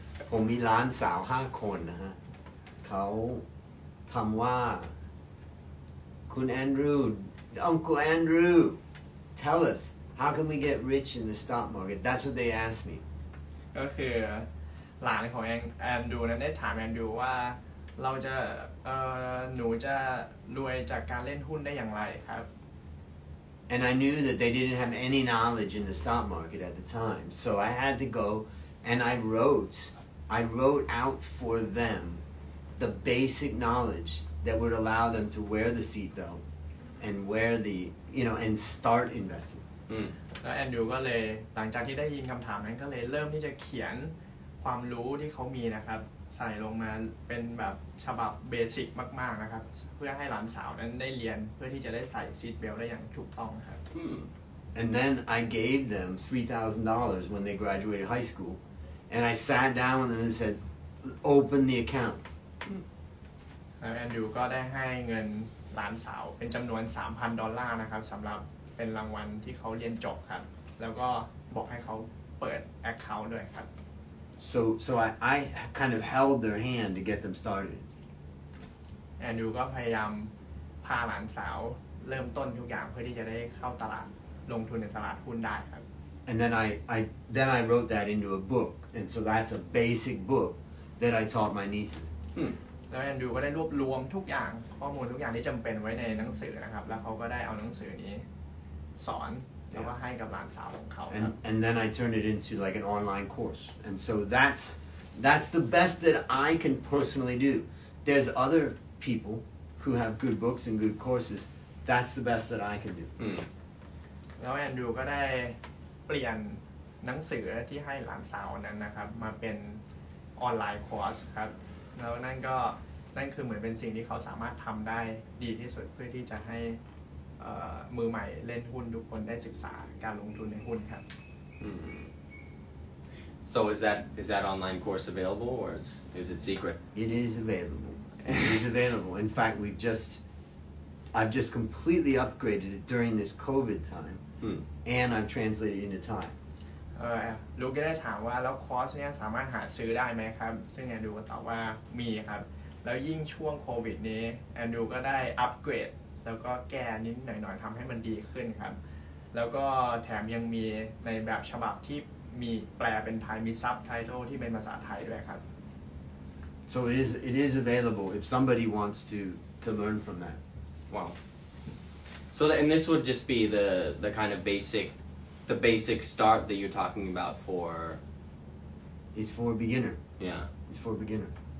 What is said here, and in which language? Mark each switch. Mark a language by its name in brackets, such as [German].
[Thai] ผมมีล้านสาว5คนนะฮะเขาทำว่าคุณแอนดรูว์ [English] Uncle Andrew tell us how can we get rich in the stock market that's what they asked me [Thai] ก็คือหลานของแอนดรูว์นั้นได้ถามแอนดรูว์ว่าเราจะหนูจะรวยจากการเล่นหุ้นได้อย่างไรครับ [English] And I knew that they didn't have any knowledge in the stock market at the time. So I had to go and I wrote out for them the basic knowledge that would allow them to wear the seatbelt and wear the, you know, and start investing. Mm. [Thai] แล้วแอนดูก็เลยหลังจากที่ได้ยินคำถามนั้นก็เลยเริ่มที่จะเขียนความรู้ที่เขามีนะครับใส่ลงมาเป็นแบบฉบับเบสิกมากๆนะครับเพื่อให้หลานสาวนั้นได้เรียนเพื่อที่จะได้ใส่ซีทเบลได้อย่างถูกต้องครับ [English] And then I gave them $3,000 when they graduated high school and I sat down with them and said open the account [Thai] แล้วแอนดรูว์ก็ได้ให้เงินหลานสาวเป็นจำนวน $3,000 นะครับสำหรับเป็นรางวัลที่เขาเรียนจบครับแล้วก็บอกให้เขาเปิด account ด้วยครับ [English] So I kind of held their hand to get them started. [Thai] แอนดรูว์ก็พยายามพาหลานสาวเริ่มต้นทุกอย่างเพื่อที่จะได้เข้าตลาดลงทุนในตลาดหุ้นได้ครับ [English] And then I wrote that into a book, and so that's a basic book that I taught my nieces. [Thai] แล้วแอนดรูว์ก็ได้รวบรวมทุกอย่างข้อมูลทุกอย่างที่จำเป็นไว้ในหนังสือนะครับแล้วเขาก็ได้เอาหนังสือนี้สอนแล้วก็ให้กับหลานสาวของเขา [English] And then I turned it into like an online course, and so that's the best that I can personally do. There's other people who have good books and good courses. That's the best that I can do. [Thai] แล้วแอนดรูว์ก็ได้เปลี่ยนหนังสือที่ให้หลานสาวนั้นนะครับมาเป็นออนไลน์คอร์สครับแล้วนั่นคือเหมือนเป็นสิ่งที่เขาสามารถทำได้ดีที่สุดเพื่อที่จะให้มือใหม่เล่นหุ้นทุกคนได้ศึกษาการลงทุนในหุ้นครับ [English] So is that online course available or is it secret? It is available. It is available. In fact, I've just completely upgraded it during this COVID time. And I'm translated into Thai. [Thai] ลูกก็ได้ถามว่าแล้วคอร์สเนี้ยสามารถหาซื้อได้ไหมครับซึ่งแอนดรูว์ก็ตอบว่ามีครับแล้วยิ่งช่วงโควิดนี้แอนดรูว์ก็ได้อัปเกรดแล้วก็แก้นิดหน่อยๆทำให้มันดีขึ้นครับแล้วก็แถมยังมีในแบบฉบับที่มีแปลเป็นไทยมีซับไตเติลที่เป็นภาษาไทยด้วยครับ [English] So it is available if somebody wants to learn from that. Wow. So and this would just be the kind of basic start that you're talking about for. It's for a beginner. Yeah. It's for a beginner.